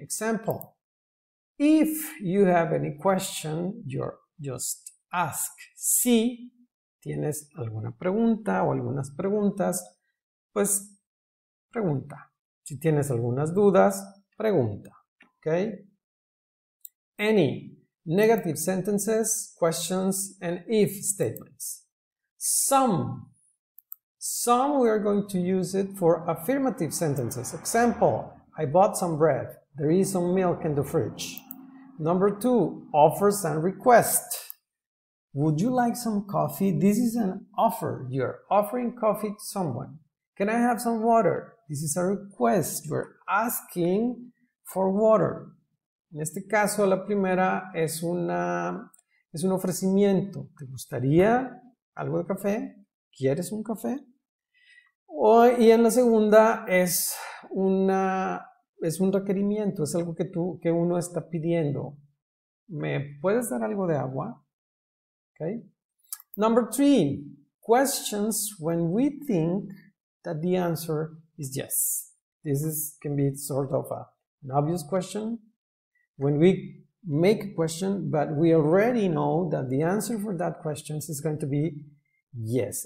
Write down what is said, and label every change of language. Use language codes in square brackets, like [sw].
[en] Example, if you have any question, just ask. [es] Si tienes alguna pregunta o algunas preguntas, pues pregunta. Si tienes algunas dudas, pregunta. Okay? Any. [en] Negative sentences, questions, and if statements. Some we are going to use it for affirmative sentences. Example, I bought some bread. There is some milk in the fridge. Number two, offers and requests. Would you like some coffee? This is an offer. You're offering coffee to someone. Can I have some water? This is a request. You're asking for water. [es] En este caso, la primera es un ofrecimiento. ¿Te gustaría algo de café? ¿Quieres un café? Y en la segunda es un requerimiento, es algo que uno está pidiendo. ¿Me puedes dar algo de agua? Okay. [en] Number three, questions when we think that the answer is yes. This is, can be sort of an obvious question. When we make a question, but we already know that the answer for that question is going to be yes.